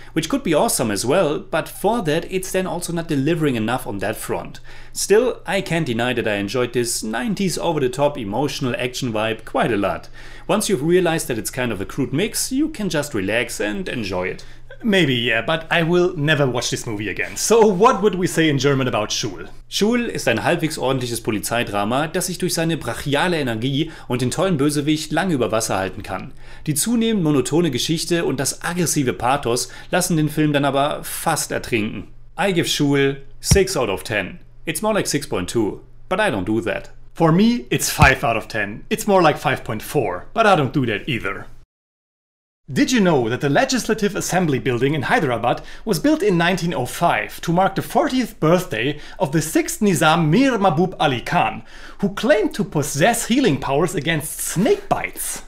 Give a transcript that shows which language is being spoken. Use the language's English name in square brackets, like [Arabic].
[English] Which could be awesome as well, but for that it's then also not delivering enough on that front. Still, I can't deny that I enjoyed this 90s over-the-top emotional action vibe quite a lot. Once you've realized that it's kind of a crude mix, you can just relax and enjoy it. Maybe, yeah, but I will never watch this movie again. So what would we say in German about Shool? [German] Shool ist ein halbwegs ordentliches Polizeidrama, das sich durch seine brachiale Energie und den tollen Bösewicht lange über Wasser halten kann. Die zunehmend monotone Geschichte und das aggressive Pathos lassen den Film dann aber fast ertrinken. [English] I give Shool 6 out of 10. It's more like 6.2, but I don't do that. For me, it's 5 out of 10. It's more like 5.4, but I don't do that either. Did you know that the Legislative Assembly building in Hyderabad was built in 1905 to mark the 40th birthday of the 6th Nizam Mir Mahbub Ali Khan, who claimed to possess healing powers against snake bites?